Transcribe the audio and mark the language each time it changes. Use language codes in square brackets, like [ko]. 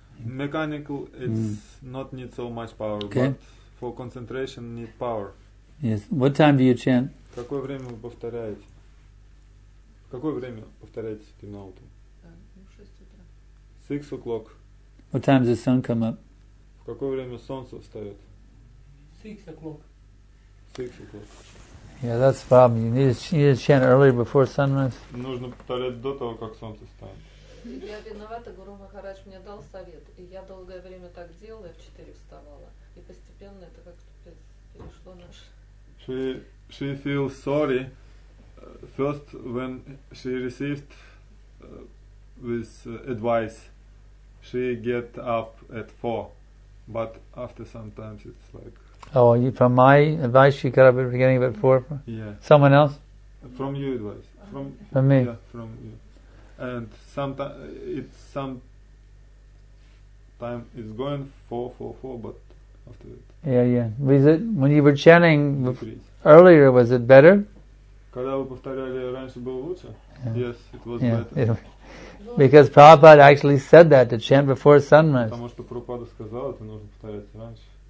[en] Mechanical, it's not need so much power, okay. But for concentration need power. Yes. What time do you chant? [ru] Какое время вы повторяете? Какое время повторяете темноту? [en] 6 o'clock. What time does the sun come up? [ru] В какое время солнце встает? [en] 6 o'clock. Yeah, that's the problem. You need to chant earlier before sunrise. [ru] Нужно повторять до того, как солнце встанет. Я виновата, Гуру Махарадж мне дал совет, и я долгое время так делала, я в 4 вставала, и постепенно это как-то перешло наш. [en] She feels sorry first when she received with advice. She get up at 4, but after sometimes it's like. Oh, you, from my advice, you got up at the beginning of it 4? Yeah. Someone else? From your advice. From me? Yeah, from you. And sometimes it's going 4, 4, 4, but after it. Yeah, yeah. Was it, when you were chanting earlier, was it better? [ru] Когда вы повторяли раньше, было лучше? [en] Yeah. Yes, it was better. It, because Prabhupada actually said that, to chant before sunrise. [ru] Потому что Прабхупада сказал, это нужно повторять раньше.